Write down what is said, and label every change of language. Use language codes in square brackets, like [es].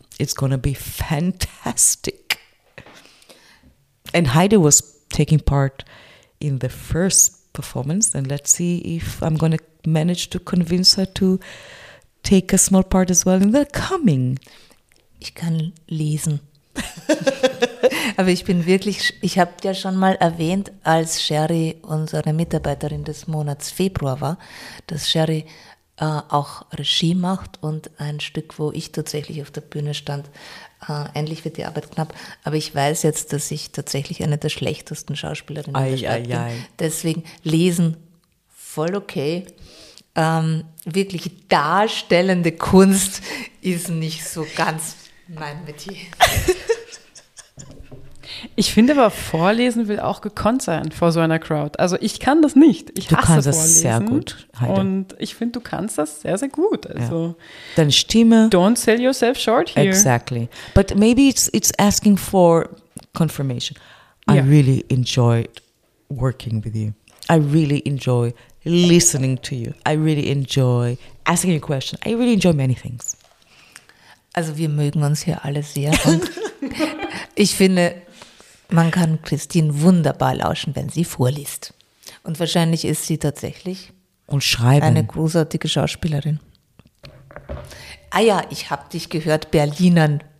[en] It's going to be fantastic. And Heide was taking part in the first performance, and let's see if I'm going to manage to convince her to take a small part as well in the coming. [de] Ich kann lesen. Aber ich bin wirklich, ich habe ja schon mal erwähnt, als Sherry unsere Mitarbeiterin des Monats Februar war, dass Sherry auch Regie macht und ein Stück, wo ich tatsächlich auf der Bühne stand. Endlich wird die Arbeit knapp. Aber ich weiß jetzt, dass ich tatsächlich eine der schlechtesten Schauspielerinnen in der Stadt bin. Deswegen lesen, voll okay. Wirklich darstellende Kunst ist nicht so ganz mein Metier. Ich finde aber, vorlesen will auch gekonnt sein vor so einer Crowd. Also ich kann das nicht. Ich hasse Vorlesen. Du kannst das sehr gut, Heide. Und ich finde, du kannst das sehr, sehr gut. Also ja. Deine Stimme. [en] Don't sell yourself short here. Exactly. But maybe it's asking for confirmation. I really enjoyed working with you. I really enjoy listening to you. I really enjoy asking you questions. I really enjoy many things. [de] Also wir mögen uns hier alle sehr. Und ich finde, man kann Christine wunderbar lauschen, wenn sie vorliest. Und wahrscheinlich ist sie tatsächlich und schreiben. Eine großartige Schauspielerin. Ah ja, ich habe dich gehört, Berlinern.